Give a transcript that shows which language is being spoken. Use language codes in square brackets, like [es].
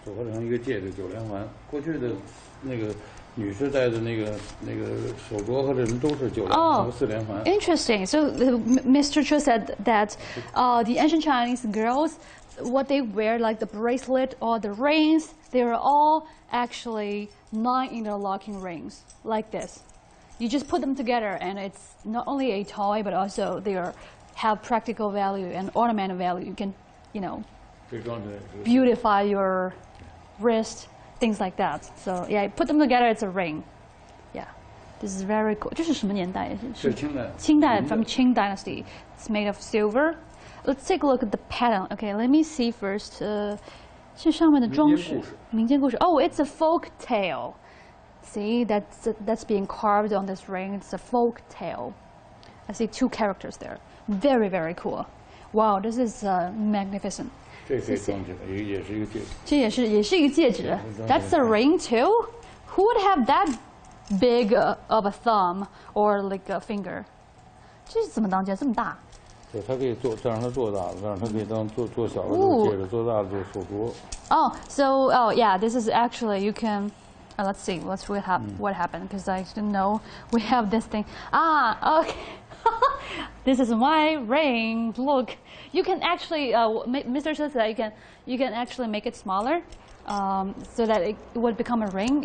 [zh] 组合成一个戒指九连环。过去的那个女士戴的那个手镯和这都是九连环和四连环。 [en] Interesting. So Mr. Chu said that, the ancient Chinese girls, what they wear like the bracelet or the rings, they are all actually nine interlocking rings like this. You just put them together, and it's not only a toy, but also they are, have practical value and ornamental value. You can, you know, beautify your wrist, things like that. So, yeah, put them together, it's a ring. Yeah, this is very cool. [zh] 这是什么年代？是清代。 [en] 清代 from Qing Dynasty. It's made of silver. Let's take a look at the pattern. Okay, let me see first. [zh] 是上面的装饰。民间故事。 [en] Oh, it's a folk tale. See, that's being carved on this ring. It's a folk tale. I see two characters there. Very, very cool. Wow, this is magnificent. That's a ring too? Who would have that big of a thumb or like a finger? [zh] 这是怎么当戒指这么大？对，它可以做，再让它做大，让它可以当做小的戒指，做大的做手镯。 [en] Oh, so oh yeah, this is actually you can. Let's see what happened because I didn't know we have this thing. Ah, okay. This is my ring. Look, you can actually, Mr. says that you can actually make it smaller so that it would become a ring.